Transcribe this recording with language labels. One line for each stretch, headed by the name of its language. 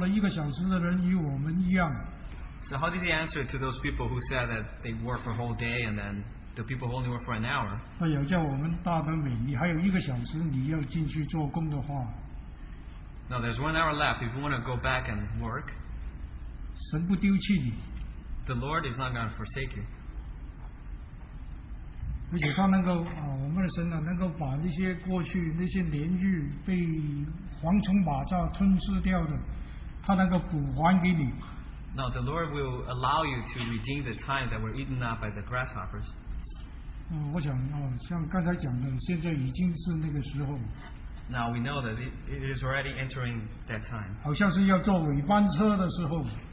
Chinese: 所以主人回答他说，他说我们为你整天受热受那么多的逼迫，现在你让那个做了一个小时的人与我们一样。
English: So how did he answer to those people who said that they work for a whole day and then the people who only work for an hour?
Chinese: 他有叫我们大的美，你还有一个小时，你要进去做工的话。
English: Now there's 1 hour left. If you want to go back and work,
Chinese: 神不丢弃你。
English: The Lord is not going to forsake you.
Chinese: 而且他能够，我们的神啊，能够把那些过去那些年日被蝗虫马蚱吞噬掉的，他能够补还给你。
English: No, the Lord will allow you to redeem the time that were eaten up by the grasshoppers.
Chinese: 我想，像刚才讲的，现在已经是那个时候。
English: Now we know that it is already entering that time.
Chinese: 好像是要坐尾班车的时候。